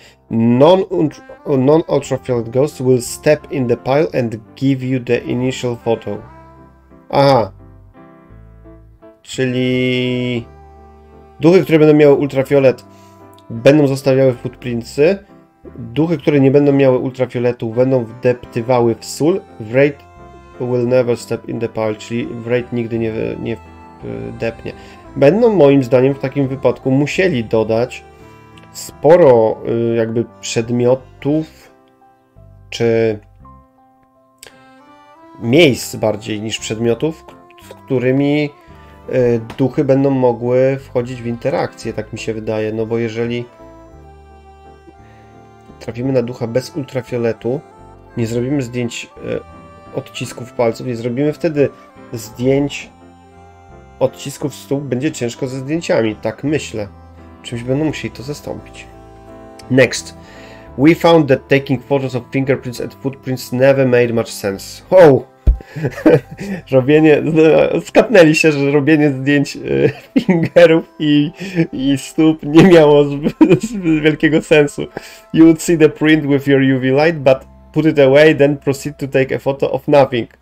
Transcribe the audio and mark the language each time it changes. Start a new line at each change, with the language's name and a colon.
English: Non-ultraviolet ghost will step in the pile and give you the initial photo. Aha.
Polish: Czyli duchy, które będą miały ultrafiolet, będą zostawiały footprintsy. Duchy, które nie będą miały ultrafioletu, będą wdeptywały w sól.
English: Wraith will never step in the pile,
Polish: czyli Wraith nigdy nie wdepnie. Będą moim zdaniem w takim wypadku musieli dodać sporo jakby przedmiotów czy miejsc bardziej niż przedmiotów, z którymi duchy będą mogły wchodzić w interakcję, tak mi się wydaje. No bo jeżeli trafimy na ducha bez ultrafioletu, nie zrobimy zdjęć odcisków palców, nie zrobimy wtedy zdjęć odcisków stóp, będzie ciężko ze zdjęciami, tak myślę. Czymś będą musieli to zastąpić.
English: Next. We found that taking photos of fingerprints and footprints never made much sense. Oh!
Polish: Robienie, no, skapnęli się, że robienie zdjęć fingerów i stóp nie miało zbyt wielkiego sensu.
English: You would see the print with your UV light, but put it away, then proceed to take a photo of nothing.